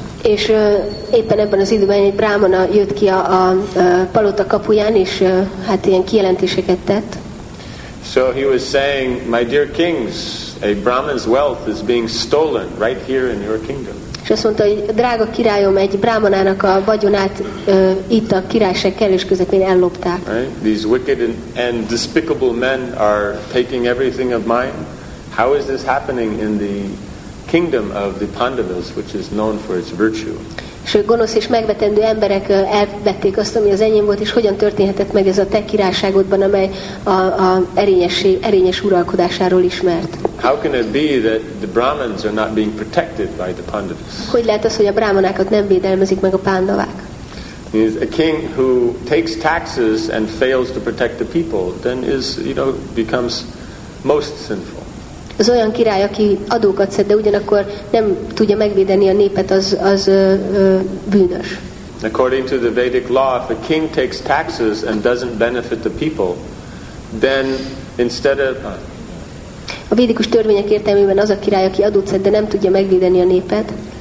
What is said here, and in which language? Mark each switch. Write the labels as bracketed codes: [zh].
[hu] És éppen ebben az időben egy brámana jött ki a palota kapuján, és hát ilyen kijelentéseket tett. [en] So he was saying, my dear kings, a brahmin's wealth is being stolen right here in your kingdom. [hu] És azt mondta, hogy drága királyom, egy brámanának a vagyonát itt a királyság kellős közepén ellopták. [en] Right? These wicked and despicable men are taking everything of mine. How is this happening in the kingdom of the Pandavas, which is known for its virtue. [hu] És gonosz és megvetendő emberek elvették azt, ami az enyém volt, és hogyan történhetett meg ez a te királyságodban, amely a erényes uralkodásáról ismert. [en] How can it be that the Brahmins are not being protected by the Pandavas? [hu] Hogy lehet az, hogy a brámanákat nem védelmezik meg a pándavák? [en] Is a king who takes taxes and fails to protect the people, then is, you know, becomes most sinful. [hu] Az olyan király, aki adókat szed, de ugyanakkor nem tudja megvédeni a népet, az bűnös. [en] According to the Vedic law, if a king takes taxes and doesn't benefit the people, then instead of [hu] a védikus törvények értelmében az a király, aki adót szed, de nem tudja megvédeni a népet,